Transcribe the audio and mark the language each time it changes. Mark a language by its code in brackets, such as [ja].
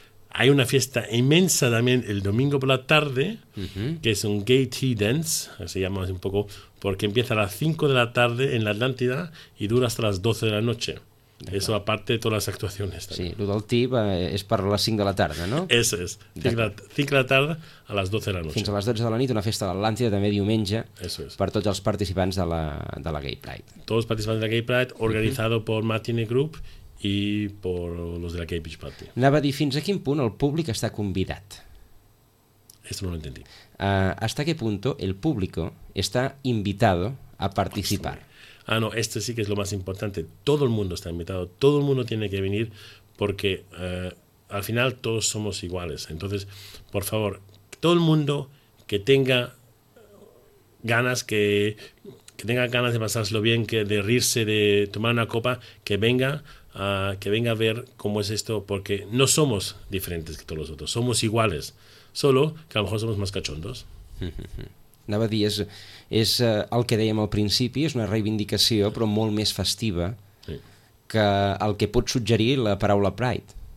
[es] Hay una fiesta inmensa también el domingo por la tarde, que es un Gay Tea Dance, se llama así un poco, porque empieza a las 5 de la tarde en la Atlántida y dura hasta las 12 de la noche. Eso aparte de todas las actuaciones. Sí, lo del tea es para las 5 de la tarde, ¿no? Eso es, 5 de la tarde a las 12 de la noche. [ca] Fins a les 12 de la nit, una festa a l'Atlàntida, també diumenge, per tots els participants de la Gay Pride. Tots els participants de la Gay Pride, organitzado per Matine Group i per els de la Gay Beach Party. Anava a dir, fins a quin punt el públic està convidat? [es] Esto no lo entendí. ¿Hasta qué punto el público está invitado a participar? Ah, no, esto sí que es lo más importante. Todo el mundo está invitado, todo el mundo tiene que venir porque al final todos somos iguales. Entonces, por favor, todo el mundo que tenga ganas, que tenga ganas de pasárselo bien, que de rirse, de tomar una copa, que venga a ver cómo es esto, porque no somos diferentes que todos los otros, somos iguales, solo que a lo mejor somos más cachondos. [ca] Anava a dir, és el que dèiem al principi, és una reivindicació, però molt més festiva que el que pot suggerir la paraula Pride.